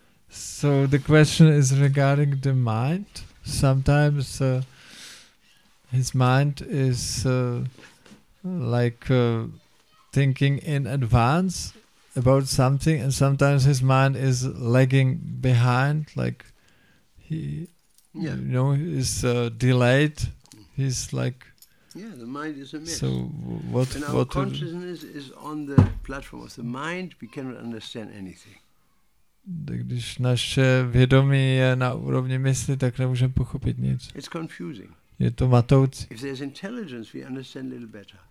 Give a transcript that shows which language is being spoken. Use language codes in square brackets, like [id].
[en] So the question is regarding the mind. Sometimes his mind is like thinking in advance about something, and sometimes his mind is lagging behind, like he, you know, is delayed. He's like, yeah, the mind is a mess. So what? And what our consciousness is on the platform of the mind. We cannot understand anything. [cs] Když naše vědomí je na úrovni mysli, tak nemůžeme pochopit nic. [en] It's confusing. [cs] Je to matoucí. [en] If there's intelligence, we understand a little better.